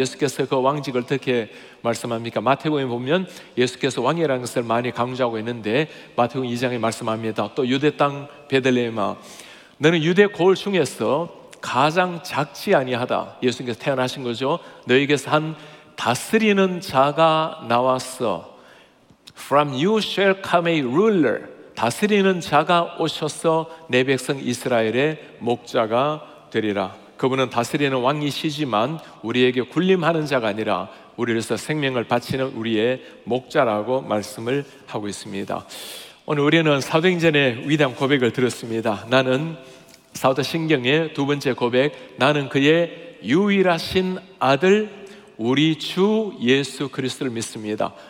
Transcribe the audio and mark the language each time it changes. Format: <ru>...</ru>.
<ko>예수께서 그 왕직을 어떻게 말씀합니까? 마태복음에 보면 예수께서 왕이라는 것을 많이 강조하고 있는데 마태복음 2장에 말씀합니다. 또 유대 땅 베들레헴아 너는 유대 고을 중에서 가장 작지 아니하다. 예수님께서 태어나신 거죠. 너에게서 한 다스리는 자가 나왔어.</ko> <en>From you shall come a ruler.</en> <ko>다스리는 자가 오셔서 내 백성 이스라엘의 목자가 되리라. 그분은 다스리는 왕이시지만 우리에게 군림하는 자가 아니라 우리를 위해서 생명을 바치는 우리의 목자라고 말씀을 하고 있습니다. 오늘 우리는 사도행전의 위대한 고백을 들었습니다. 나는 사도신경의 두 번째 고백 나는 그의 유일하신 아들 우리 주 예수 그리스도를 믿습니다.</ko>